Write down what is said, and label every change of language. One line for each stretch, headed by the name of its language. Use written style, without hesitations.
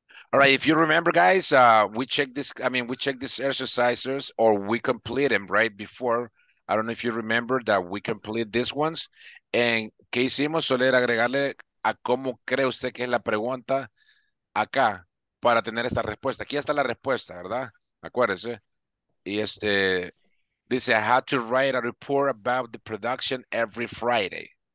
English: All right, if you remember, guys, we check these exercises, or we complete them right before. I don't know if you remember that we complete these ones.
Spanish: And ¿qué hicimos? Solo era agregarle a cómo cree usted que es la pregunta acá para tener esta respuesta. Aquí está la respuesta, ¿verdad? Acuérdese. Y este dice,
English: I have to write a report about the production every Friday.